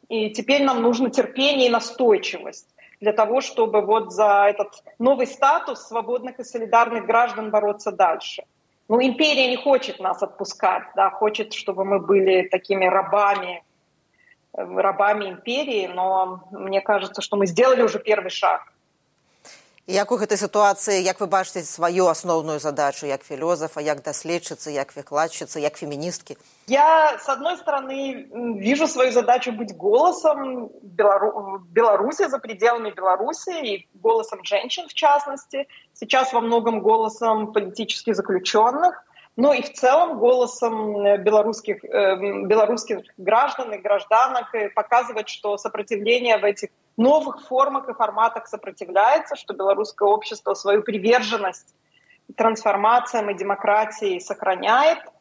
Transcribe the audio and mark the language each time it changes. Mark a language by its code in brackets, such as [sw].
[ru] И теперь нам нужно терпение и настойчивость для того, чтобы вот за этот новый статус свободных и солидарных граждан бороться дальше. Но империя не хочет нас отпускать, да, хочет, чтобы мы были такими рабами, рабами империи, но мне кажется, что мы сделали уже первый шаг. [be] Як у гэтай сітуацыі, як вы бачыце сваю асноўную задачу, як філозафа, як даследчыцы, як выкладчыцы, як феміністкі? [ru] Я, с одной стороны, вижу свою задачу быть голосом Беларуси за пределами Беларуси и голосом женщин в частности, сейчас во многом голосом политически заключенных, но и в целом голосом белорусских граждан и гражданок, и показывать, что сопротивление в этих новых формах и форматах сопротивляется, что белорусское общество свою приверженность трансформациям и демократии сохраняет.